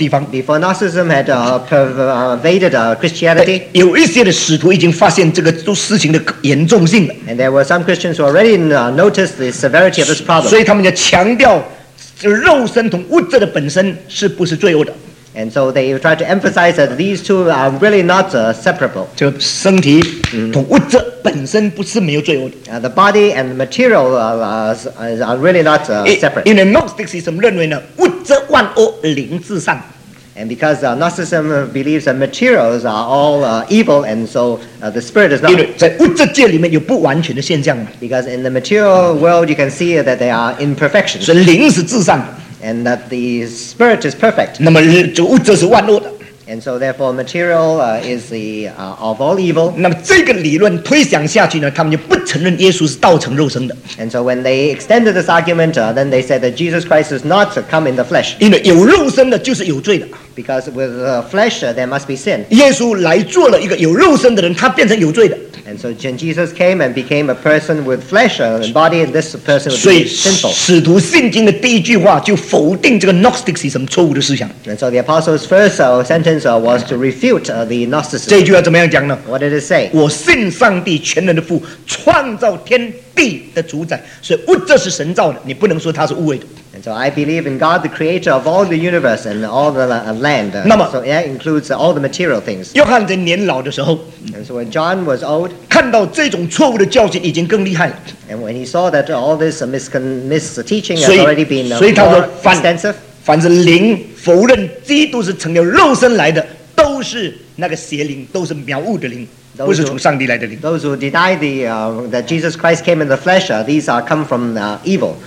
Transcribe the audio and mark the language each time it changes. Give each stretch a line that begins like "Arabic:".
English: Before Gnosticism had pervaded Christianity,
Chinese: 有一些的使徒已经发现这个事情的严重性,
English: and there were some Christians who already noticed the severity of this problem.
Chinese: 所以他们就强调, 肉身同物质的本身是不是罪恶的。
English: And so they try to emphasize that these two are really not separable.
Chinese: 就身体同物质本身不是没有罪恶的。
English: The body and the material are really not separate.
Chinese: 因为 Gnosticism 认为呢, 物质万恶灵至善。
English: And because Gnosticism believes that materials are all evil, and so the spirit is not.
Chinese: 因为在物质界里面有不完全的现象。
English: Because in the material world, you can see that there are imperfections.
Chinese: 所以灵是至善的。
English: And that the spirit is perfect.
Chinese: 那么物质是万恶的。
English: And so therefore material is the of all evil.
Chinese: 那么这个理论推想下去呢, 他们就不承认耶稣是道成肉身的。
English: And so when they extended this argument, then they said that Jesus Christ is not to come in the flesh.
Chinese: 因为有肉身的就是有罪的。
English: Because with flesh, there must be sin.
Chinese: 耶稣来做了一个有肉身的人, 他变成有罪的。
English: And so when Jesus came and became a person with flesh and body, this person would be sinful.
Chinese: 使徒信经的第一句话就否定这个 Gnosticism 错误的思想。
English: And so the apostle's first sentence was to refute the Gnosticism.
Chinese: 这句话怎么样讲呢?
English: What did it say?
Chinese: 我信上帝全能的父, 创造天地的主宰, 所以物质是神造的, 你不能说他是污秽的。
English: And so I believe in God, the creator of all the universe and all the land.
Chinese: 那么,
English: so that includes all the material things.
Chinese: 约翰在年老的时候,
English: and so when John was old,
Chinese: 看到这种错误的教训已经更厉害了,
English: and when he saw that all this misteaching has already been extensive,
Chinese: 凡是灵否认基督是成了肉身来的, 都是那个邪灵, 都是谬误的灵。
English: Those who deny the, that Jesus Christ came in the flesh, these are come from evil.